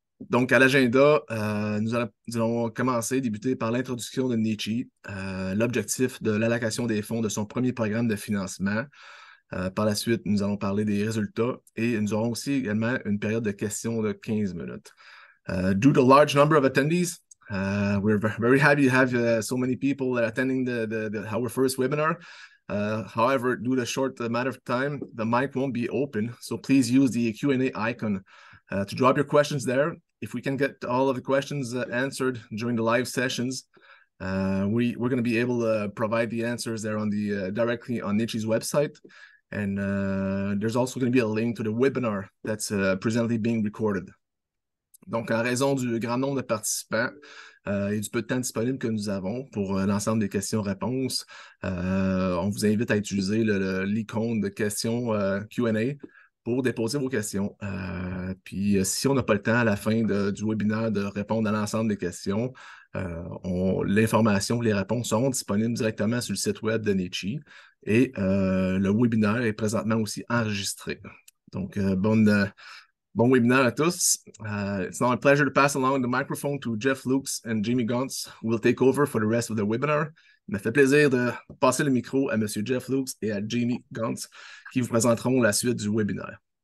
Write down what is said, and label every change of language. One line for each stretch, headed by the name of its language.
French: Donc à l'agenda, nous allons débuter par l'introduction de NICHI, l'objectif de l'allocation des fonds de son premier programme de financement. Par la suite, nous allons parler des résultats et nous aurons aussi également une période de questions de 15 minutes.
English: Due to a large number of attendees, we're very happy to have so many people that are attending our first webinar. However, due to the short amount of time, the mic won't be open, so please use the Q&A icon to drop your questions there. If we can get all of the questions answered during the live sessions, we're going to be able to provide the answers there on the directly on NICHI's website. And there's also going to be a link to the webinar that's presently being recorded.
French: Donc, en raison du grand nombre de participants et du peu de temps disponible que nous avons pour l'ensemble des questions-réponses, on vous invite à utiliser l'icône de questions Q&A pour déposer vos questions. Puis, si on n'a pas le temps à la fin du webinaire de répondre à l'ensemble des questions, l'information, les réponses seront disponibles directement sur le site web de NICHI et le webinaire est présentement aussi enregistré. Donc, bon webinaire à tous.
English: It's now a pleasure to pass along the microphone to Jeff Lukes and Jimmy Gontz, who will take over for the rest of the webinar.
French: Il me fait plaisir de passer le micro à M. Jeff Lukes et à Jimmy Gontz, qui vous présenteront la suite du webinaire.